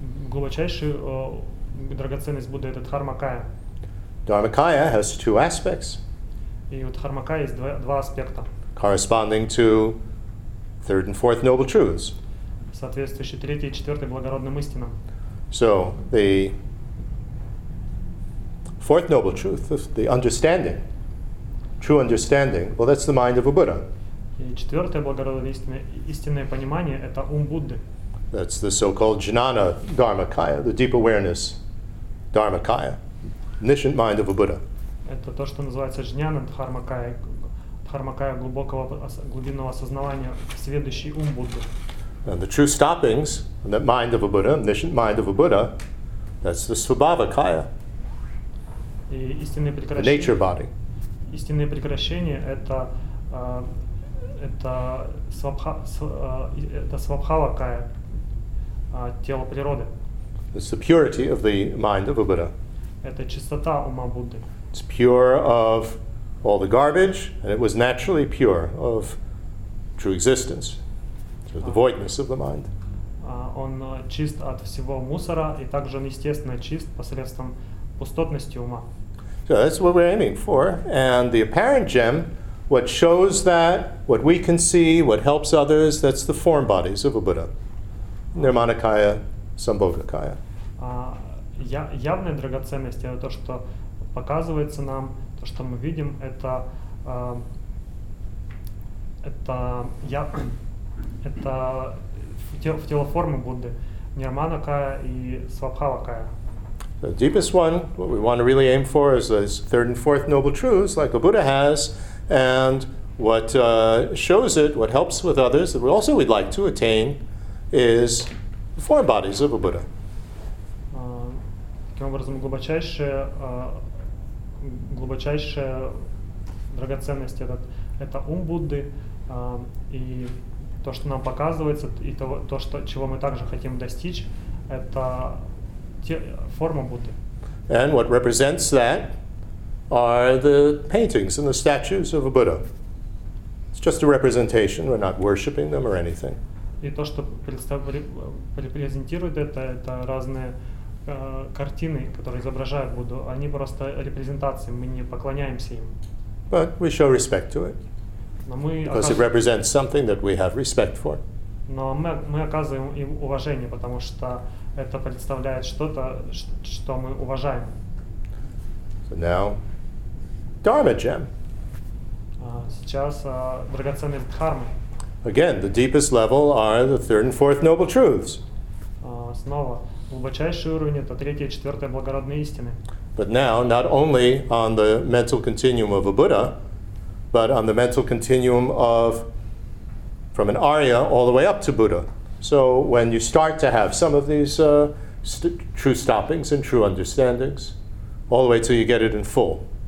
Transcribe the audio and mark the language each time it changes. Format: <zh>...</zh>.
<ru>Глубочайшая драгоценность Будды — это Дхармакая.</ru> <en>Dharmakaya has two aspects.</en> <ru>И вот Дхармакая есть два аспекта.</ru> <en>Corresponding to third and fourth noble truths.</en> <ru>Соответствующие третьей и четвертой благородным истинам.</ru> <en>So the fourth noble truth, the understanding, true understanding. Well, that's the mind of a Buddha.</en> <ru>И четвертое благородное истинное понимание – это ум Будды.</ru> <en>That's the so-called jnana dharmakaya, the deep awareness dharmakaya, omniscient mind of a Buddha.</en> <ru>Это то, что называется jnana dharmakaya, dharmakaya глубокого глубинного осознавания, сведущий ум Будды.</ru> <en>And the true stoppings in that mind of a Buddha, omniscient mind of a Buddha, that's the svabhavakaya.</en> <ru>И истинные прекращения.</ru> <en>Nature body.</en> <ru>Истинные прекращения — это свабхавакая, тело природы.</ru> <en>It's the purity of the mind of a Buddha.</en> <ru>Это чистота ума Будды.</ru> <en>It's pure of all the garbage, and it was naturally pure of true existence. So the voidness of the mind.</en> <ru>Он чист от всего мусора, и также он, естественно, чист посредством пустотности ума.</ru> <en>So that's what we're aiming for. And the apparent gem, what shows that, what we can see, what helps others, that's the form bodies of a Buddha. Nirmanakaya, Sambhogakaya.</en> <ru>Явная драгоценность — это то, что показывается нам, то, что мы видим, это в тело формы Будды, Нирманакая и Свабхавакая.</ru> <en>The deepest one, what we want to really aim for, is those third and fourth noble truths, like a Buddha has, and what shows it, what helps with others, that we also would like to attain, is the form bodies of a Buddha.</en> <ru>Таким образом, глубочайшая драгоценность — это ум Будды, и то, что нам показывается, и то, что чего мы также хотим достичь, это форма Будды.</ru> <en>And what represents that are the paintings and the statues of a Buddha. It's just a representation. We're not worshiping them or anything.</en> <ru>И то, что репрезентирует это разные картины, которые изображают Будду. Они просто репрезентации. Мы не поклоняемся им.</ru> <en>But we show respect to it. Because it represents something that we have respect for.</en> <ru>Но мы оказываем им уважение, потому что это представляет что-то, что мы уважаем.</ru> <en>So now, Dharma gem.</en> <ru>Сейчас драгоценность Дхармы.</ru> <en>Again, the deepest level are the third and fourth noble truths.</en> <ru>Снова, Глубочайший уровень — это третья, четвертая благородные истины.</ru> <en>But now, not only on the mental continuum of a Buddha, but on the mental continuum of from an Arya all the way up to Buddha. So when you start to have some of these true stoppings and true understandings, all the way till you get it in full.</en>